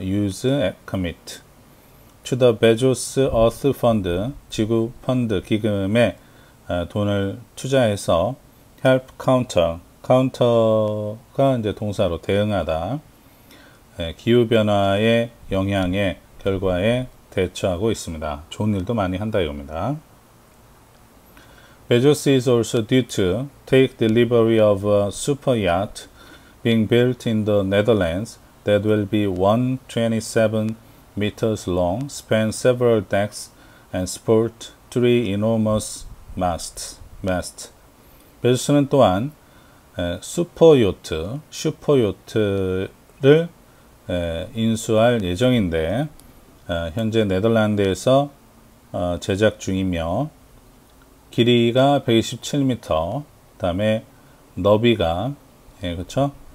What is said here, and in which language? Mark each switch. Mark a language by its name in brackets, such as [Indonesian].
[English] use, commit. to the Bezos Earth Fund, [Korean] 지구 펀드 기금에 돈을 투자해서 [English] help counter. [Korean] 카운터가 이제 동사로 대응하다, 기후 변화의 영향의 결과에 대처하고 있습니다. 좋은 일도 많이 한다 이겁니다. [English] Bezos is also due to take delivery of a super yacht being built in the Netherlands that will be 127 meters long, span several decks, and support three enormous masts. [Korean] Bezos는 또한 슈퍼요트를 인수할 예정인데, 현재 네덜란드에서 제작 중이며, 길이가 127m, 그다음에 너비가, 그쵸?